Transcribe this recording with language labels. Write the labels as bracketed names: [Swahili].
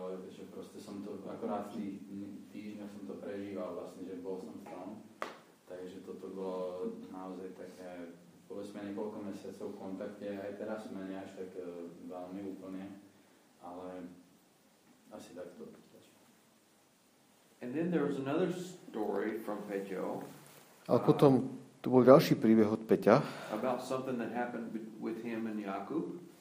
[Slovak] Že proste som to akorát týždňa som to prežíval vlastne, že bol som v tom. Takže toto bolo naozaj také. Boli sme niekoľko mesiacov v kontakte, aj teraz sme nie až tak veľmi úplne, ale asi takto. [English] And then there was another story from Peťo. [Slovak] A potom to bol ďalší príbeh od Peťa. [English] About something that happened with him and Jakub.